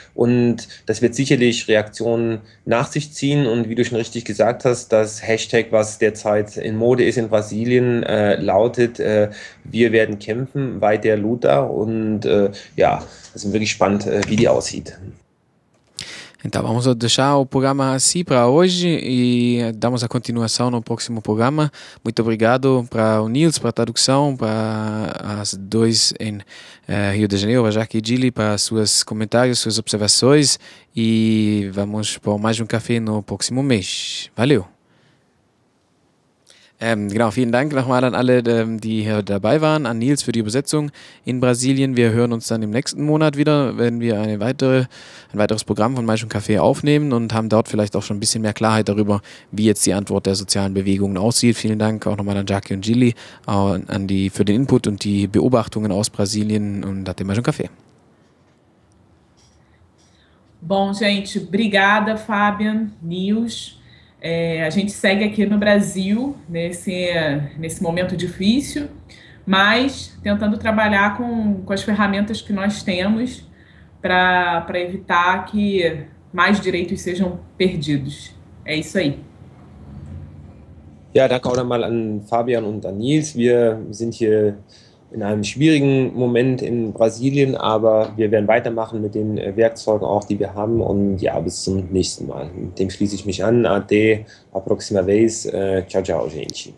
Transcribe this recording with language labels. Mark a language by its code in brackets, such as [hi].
[de] Und das wird sicherlich Reaktionen nach sich ziehen. Und wie du schon richtig gesagt hast, das Hashtag, was derzeit in Mode ist in Brasilien, lautet, wir werden kämpfen, [pt] weiter Lula. [de] Und ja, wir sind wirklich gespannt, wie die aussieht. [pt] Então vamos deixar o programa assim para hoje e damos a continuação no próximo programa. Muito obrigado para o Nils, para a tradução, para as duas em Rio de Janeiro, para Jacques e Dili, para seus comentários, suas observações, e vamos para mais um café no próximo mês. Valeu! [de] Genau, vielen Dank nochmal an alle, die hier dabei waren, an Nils für die Übersetzung in Brasilien. Wir hören uns dann im nächsten Monat wieder, wenn wir ein weiteres Programm von Maisch und Kaffee aufnehmen und haben dort vielleicht auch schon ein bisschen mehr Klarheit darüber, wie jetzt die Antwort der sozialen Bewegungen aussieht. Vielen Dank auch nochmal an Jackie und Gilly für den Input und die Beobachtungen aus Brasilien und hat den Maisch und Kaffee. [pt] Bom, gente, obrigada, Fabian, Nils. A gente segue aqui no Brasil, nesse momento difícil, mas tentando trabalhar com as ferramentas que nós temos para evitar que mais direitos sejam perdidos. É isso aí. [de] Ja, danke auch nochmal an Fabian und an Nils. Wir sind hier in einem schwierigen Moment in Brasilien, aber wir werden weitermachen mit den Werkzeugen auch, die wir haben. Und ja, bis zum nächsten Mal. Dem schließe ich mich an. [pt] Ade, a próxima vez. Ciao, ciao, gente.